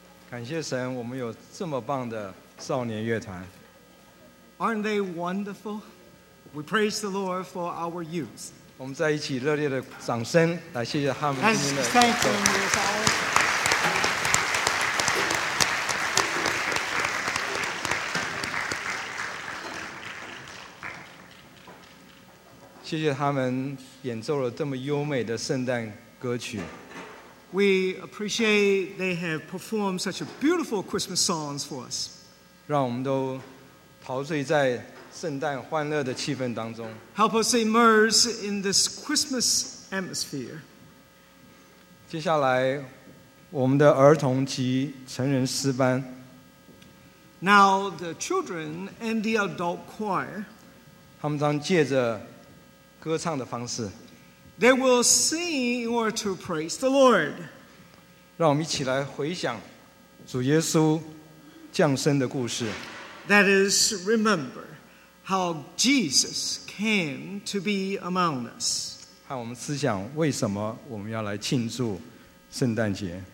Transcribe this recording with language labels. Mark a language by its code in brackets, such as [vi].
[zh] 感谢神，我们有这么棒的少年乐团。 [en] Aren't they wonderful? We praise the Lord for our youth. [zh] 我们再一起热烈的掌声来谢谢他们今天的。 [en] Thank you, Mr. Allen. Thank you, Mr. Allen. [zh] 谢谢他们演奏了这么优美的圣诞歌曲。 [en] We appreciate they have performed such a beautiful Christmas songs for us. [zh] 让我们都陶醉在圣诞欢乐的气氛当中。 [en] Help us immerse in this Christmas atmosphere. [zh] 接下来，我们的儿童及成人诗班。 [en] Now the children and the adult choir. [zh] 他们将借着歌唱的方式。 [en] They will sing in order to praise the Lord. [zh] 让我们一起来回想主耶稣降生的故事。 [en] That is, remember how Jesus came to be among us. [zh] 和我们思想为什么我们要来庆祝圣诞节。